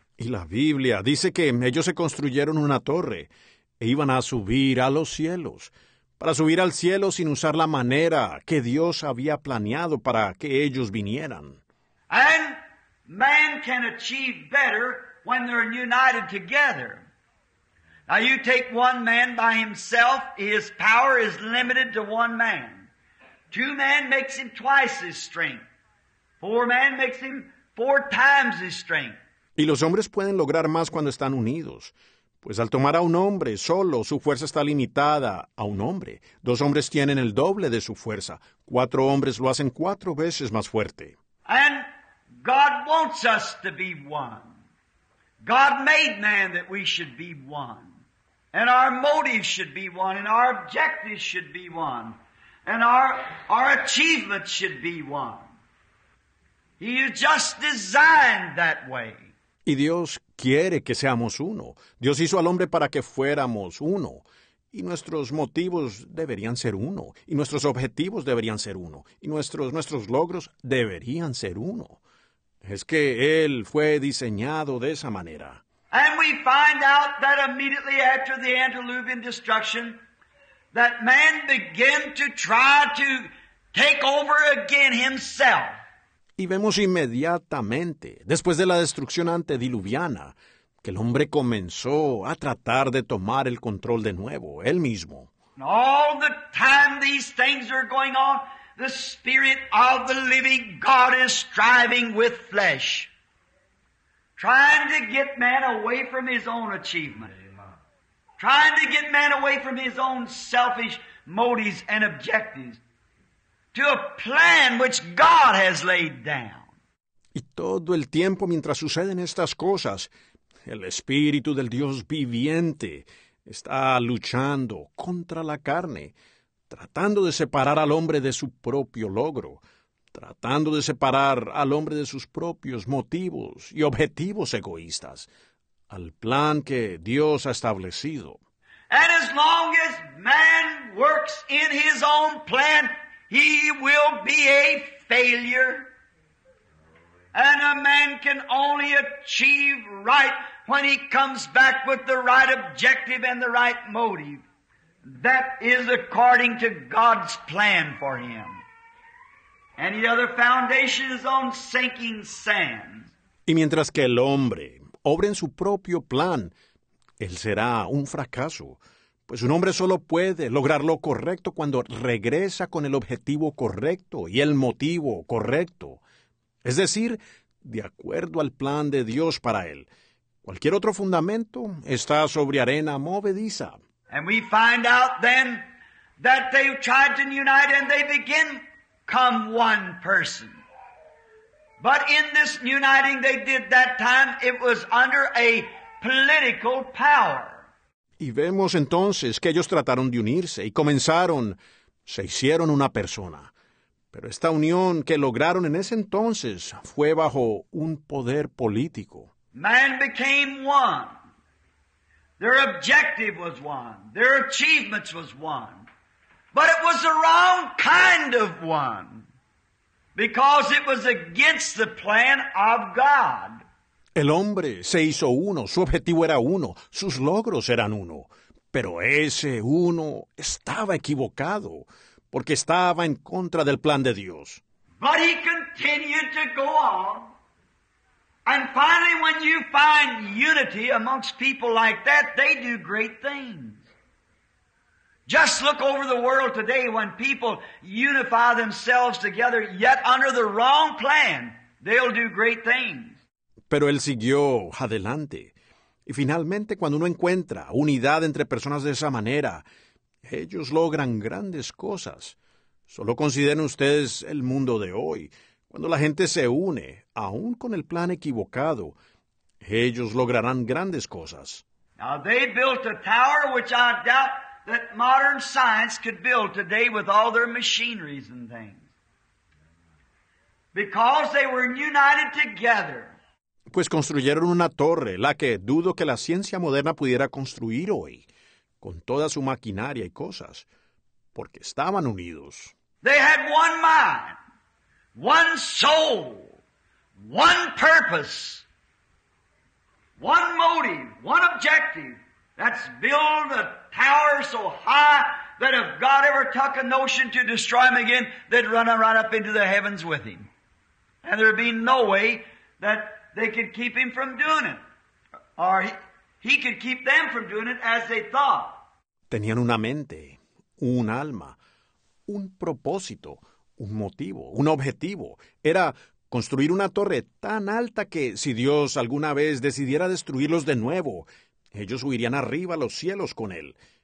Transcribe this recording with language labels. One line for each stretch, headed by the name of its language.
Spanish: Y la Biblia dice que ellos se construyeron una torre e iban a subir a los cielos, para subir al cielo sin usar la manera que Dios había planeado para que ellos vinieran.
English: And man can achieve better when they're united together. Now you take one man by himself, his power is limited to one man. Two men makes him twice his strength. Four men makes him four times his strength.
Spanish: Y los hombres pueden lograr más cuando están unidos, pues al tomar a un hombre solo, su fuerza está limitada a un hombre. Dos hombres tienen el doble de su fuerza. Cuatro hombres lo hacen cuatro veces más fuerte.
English: And God wants us to be one. God made man that we should be one. And our motives should be one, and our objectives should be one, and our achievements should be one. He has just designed that way.
Spanish: Y Dios quiere que seamos uno. Dios hizo al hombre para que fuéramos uno. Y nuestros motivos deberían ser uno. Y nuestros objetivos deberían ser uno. Y nuestros logros deberían ser uno. Es que Él fue diseñado de esa manera.
English: And we find out that immediately after the antediluvian destruction, that man began to try to take over again himself.
Spanish: Y vemos inmediatamente, después de la destrucción antediluviana, que el hombre comenzó a tratar de tomar el control de nuevo, él mismo.
English: All the time these things are going on, the Spirit of the living God is striving with flesh, trying to get man away from his own achievement, trying to get man away from his own selfish motives and objectives. To a plan which God has laid down.
Spanish: Y todo el tiempo mientras suceden estas cosas, el Espíritu del Dios viviente está luchando contra la carne, tratando de separar al hombre de su propio logro, tratando de separar al hombre de sus propios motivos y objetivos egoístas, al plan que Dios ha establecido.
English: And as long as man works in his own plan, he will be a failure, and a man can only achieve right when he comes back with the right objective and the right motive. That is according to God's plan for him. Any other foundation is on sinking sand.
Spanish: Y mientras que el hombre obre en su propio plan, él será un fracaso. Pues un hombre solo puede lograr lo correcto cuando regresa con el objetivo correcto y el motivo correcto. Es decir, de acuerdo al plan de Dios para él. Cualquier otro fundamento está sobre arena movediza.
English: And we find out then that they tried to unite and they begin come one person. But in this uniting they did that time, it was under a political power.
Spanish: Y vemos entonces que ellos trataron de unirse y comenzaron, se hicieron una persona. Pero esta unión que lograron en ese entonces fue bajo un poder político.
English: Man became one. Their objective was one. Their achievements was one. But it was the wrong kind of one. Because it was against the plan of God.
Spanish: El hombre se hizo uno, su objetivo era uno, sus logros eran uno. Pero ese uno estaba equivocado, porque estaba en contra del plan de Dios.
English: But he continued to go on. And finally when you find unity amongst people like that, they do great things. Just look over the world today when people unify themselves together, yet under the wrong plan, they'll do great things.
Spanish: Pero él siguió adelante. Y finalmente, cuando uno encuentra unidad entre personas de esa manera, ellos logran grandes cosas. Solo consideren ustedes el mundo de hoy. Cuando la gente se une, aún con el plan equivocado, ellos lograrán grandes cosas.
English: Now they built a tower which I doubt that modern science could build today with all their machineries and things. Because they were united together.
Spanish: Pues construyeron una torre, la que dudo que la ciencia moderna pudiera construir hoy, con toda su maquinaria y cosas, porque estaban unidos.
English: They had one mind, one soul, one purpose, one motive, one objective. That's build a tower so high that if God ever took a notion to destroy him again, they'd run right up into the heavens with him. And there'd be no way that they could keep him from doing it. Or he could keep them from doing it as they thought.
Spanish: Tenían una mente, un alma, un propósito, un motivo, un objetivo. Era construir una torre tan alta que si Dios alguna vez decidiera destruirlos de nuevo, ellos huirían arriba a los cielos con él.